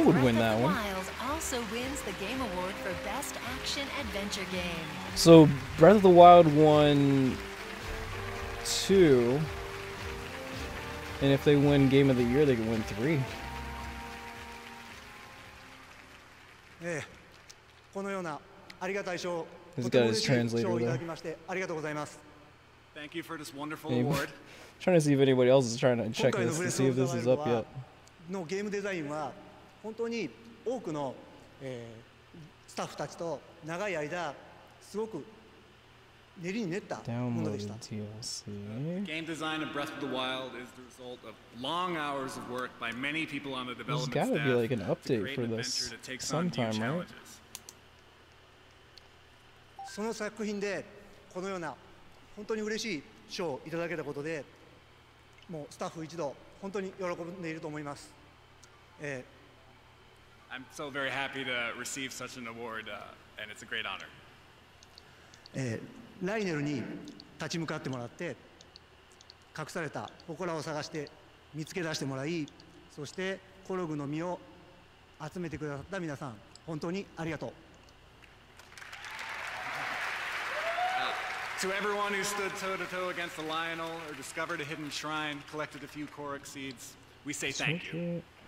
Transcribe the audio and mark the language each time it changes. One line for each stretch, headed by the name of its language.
English: would win that one. Wild also wins the Game Award for Best Action Adventure Game. So Breath of the Wild won 2, and if they win Game of the Year, they can win 3. Yeah.
Japanese: このようなありがたい賞。
English: He's got his translator there.
Japanese: ありがとうございます。
English: Thank you for this wonderful award. Trying to see if anybody else is trying to check this to see if this is up yet.
Japanese: No, game design は本当に多くのスタッフたちと長い間すごく練りに練ったものでした。
English: Game design of Breath of the Wild is the result of long hours of work by many people on the development staff. There's got to be like an update for this sometime, right?
Japanese: その作品でこのような本当に嬉しい賞をいただけたことで、もうスタッフ一同本当に喜んでいると思います。
English: I'm so very happy to receive such an award, and it's a great honor.
Japanese: ライネルに立ち向かってもらって、隠された祠を探して見つけ出してもらい、そしてコログの実を集めてくださった皆さん、本当にありがとう。
English: To everyone who stood toe-to-toe against the Lionel or discovered a hidden shrine, collected a few Korok seeds, we say thank you.